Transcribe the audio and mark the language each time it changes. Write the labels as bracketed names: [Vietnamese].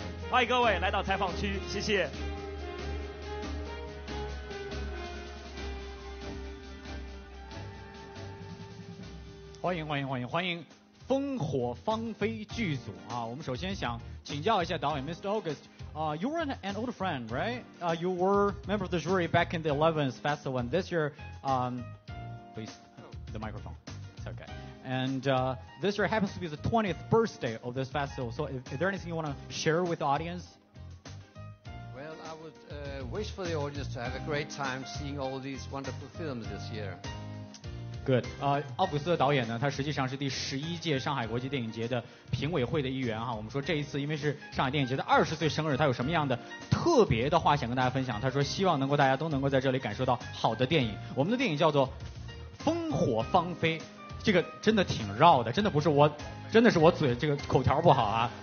[Chinese] 欢迎各位来到采访区，谢谢。欢迎欢迎欢迎欢迎烽火芳菲剧组啊！我们首先想请教一下导演 Mr. [English] August, you were an old friend, right? You were member of the jury back in the 11th festival, and this year, please, the microphone, it's okay. And this year happens to be the 20th birthday of this festival, so is there anything you want to share with the audience? Well, I would wish for the audience to have a great time seeing all these wonderful films this year. Good. [Chinese] 奥古斯特导演呢，他实际上是第11届上海国际电影节的评委会的一员哈。我们说这一次因为是上海电影节的20岁生日，他有什么样的特别的话想跟大家分享？他说希望能够大家都能够在这里感受到好的电影。我们的电影叫做《烽火芳菲》，这个真的挺绕的，真的不是我，真的是我嘴这个口条不好啊。